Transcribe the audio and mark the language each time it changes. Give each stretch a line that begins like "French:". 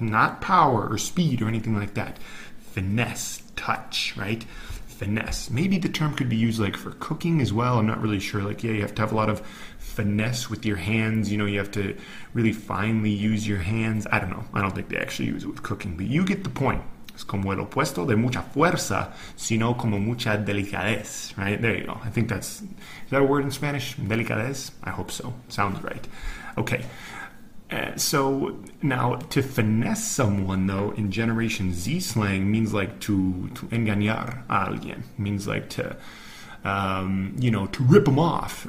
English: Not power or speed or anything like that. Finesse, touch, right? Finesse. Maybe the term could be used like for cooking as well. I'm not really sure. Like, yeah, you have to have a lot of finesse with your hands. You know, you have to really finely use your hands. I don't know. I don't think they actually use it with cooking, but you get the point.
Spanish: It's como el opuesto de mucha fuerza, sino como mucha delicadez, right?
English: There you go. I think that's, is that a word in Spanish? Delicadez? I hope so. Sounds right. Okay. So now to finesse someone though in Generation Z slang means like to
Spanish: engañar a alguien,
English: means like to, you know, to rip them off.